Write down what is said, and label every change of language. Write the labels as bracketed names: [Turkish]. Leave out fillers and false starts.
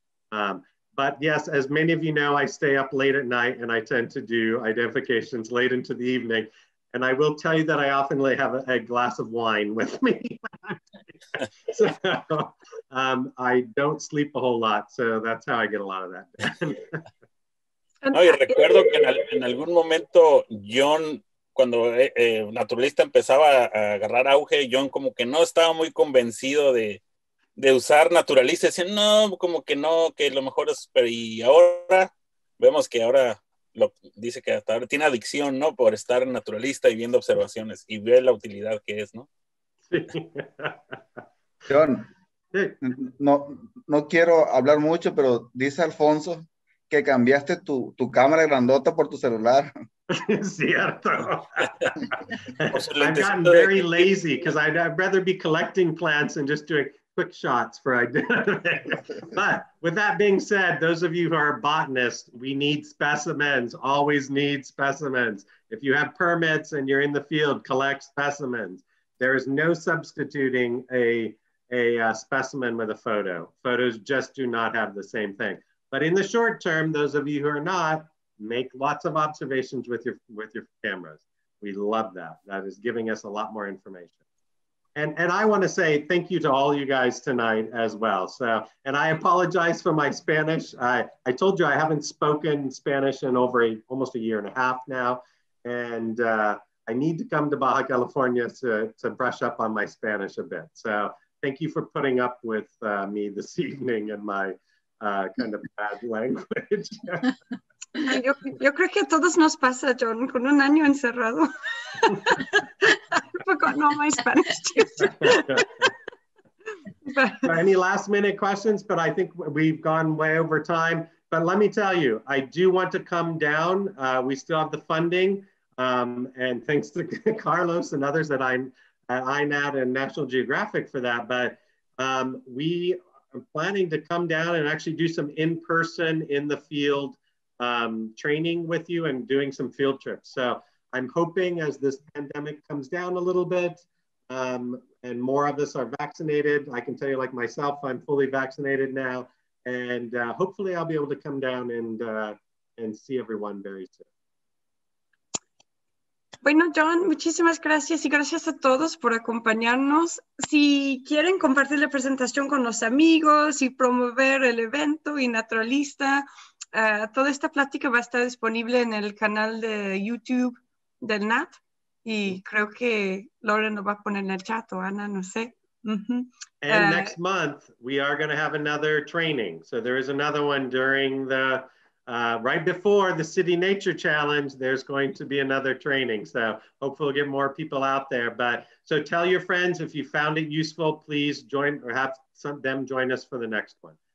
[English] But yes, as many of you know, I stay up late at night and I tend to do identifications late into the evening. And I will tell you that I often have a glass of wine with me. So I don't sleep a whole lot. So that's how I get a lot of that. [Spanish] No, y recuerdo que en algún momento John, cuando Naturalista empezaba a agarrar auge, John como que no estaba muy convencido de usar Naturalista, decía, no, como que no, que lo mejor es, pero y ahora vemos que ahora lo dice que hasta ahora tiene adicción, ¿no? Por estar Naturalista y viendo observaciones y ve la utilidad que es, ¿no? Sí. John, no quiero hablar mucho, pero dice Alfonso que cambiaste tu cámara grandota por tu celular. Cierto. [English] I've gotten very lazy because I'd rather be collecting plants and just doing quick shots for identification. But with that being said, those of you who are botanists, we need specimens, always need specimens. If you have permits and you're in the field, collect specimens. There is no substituting a specimen with a photo. Photos just do not have the same thing. But in the short term, those of you who are not, make lots of observations with your cameras. We love that. That is giving us a lot more information. And I want to say thank you to all you guys tonight as well. So, and I apologize for my Spanish. I told you I haven't spoken Spanish in almost a year and a half now. And I need to come to Baja California to brush up on my Spanish a bit. So thank you for putting up with me this evening and my kind of bad language. [Spanish] Yo creo que todos nos pasa, John, con un año encerrado. [English] I've forgotten all my Spanish. But any last minute questions? But I think we've gone way over time. But let me tell you, I do want to come down. We still have the funding. And thanks to Carlos and others at iNat and National Geographic for that. But we are planning to come down and actually do some in-person in the field training with you and doing some field trips. So I'm hoping as this pandemic comes down a little bit and more of us are vaccinated, I can tell you like myself, I'm fully vaccinated now. And hopefully I'll be able to come down and see everyone very soon. [Spanish] Bueno, John, muchísimas gracias y gracias a todos por acompañarnos. Si quieren compartir la presentación con los amigos y promover el evento y Naturalista, toda esta plática va a estar disponible en el canal de YouTube del NAT y creo que Lauren lo va a poner en el chat o Ana, no sé. Mm-hmm. [English] And next month we are going to have another training. So there is another one during the... right before the City Nature Challenge, there's going to be another training. So hopefully we'll get more people out there. But so tell your friends, if you found it useful, please join or have them join us for the next one.